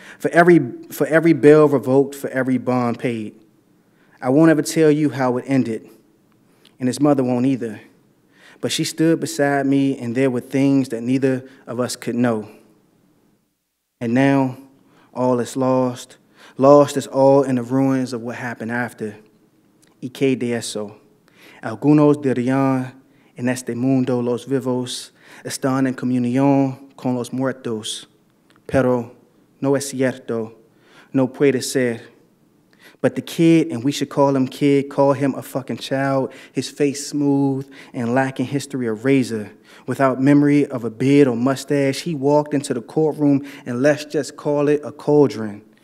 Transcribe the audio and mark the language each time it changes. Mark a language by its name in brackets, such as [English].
[English] For every bail revoked, for every bond paid, I won't ever tell you how it ended, and his mother won't either. But she stood beside me, and there were things that neither of us could know. And now all is lost. Lost is all in the ruins of what happened after. [Spanish] Y que de eso. Algunos dirían en este mundo los vivos están en comunión con los muertos. Pero no es cierto. No puede ser. [English] But the kid, and we should call him kid, call him a fucking child, his face smooth and lacking history of razor. Without memory of a beard or mustache, he walked into the courtroom and let's just call it a cauldron.